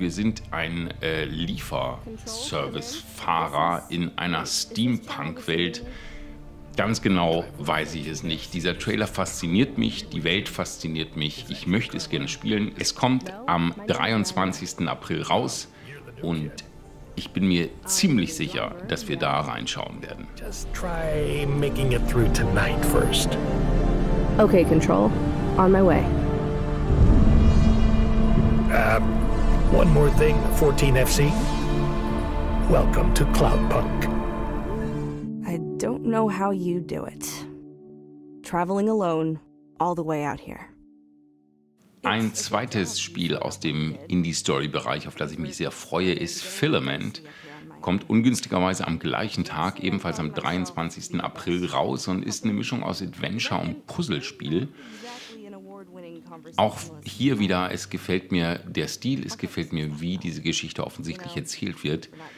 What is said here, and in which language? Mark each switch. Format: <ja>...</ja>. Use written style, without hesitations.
<de>Wir sind ein Lieferservice-Fahrer in einer Steampunk-Welt. Ganz genau weiß ich es nicht. Dieser Trailer fasziniert mich, die Welt fasziniert mich. Ich möchte es gerne spielen. Es kommt am 23. April raus und ich bin mir ziemlich sicher, dass wir da reinschauen werden.</de> <en>Just try making it through tonight first. Okay, Control. On my way. One more thing, 14FC. Welcome to Cloudpunk. I don't know how you do it. Traveling alone, all the way out here.</en> <de>Ein zweites Spiel aus dem Indie-Story-Bereich, auf das ich mich sehr freue, ist Filament. Kommt ungünstigerweise am gleichen Tag, ebenfalls am 23. April, raus und ist eine Mischung aus Adventure und Puzzlespiel. Auch hier wieder, es gefällt mir der Stil, es gefällt mir, wie diese Geschichte offensichtlich erzählt wird.</de>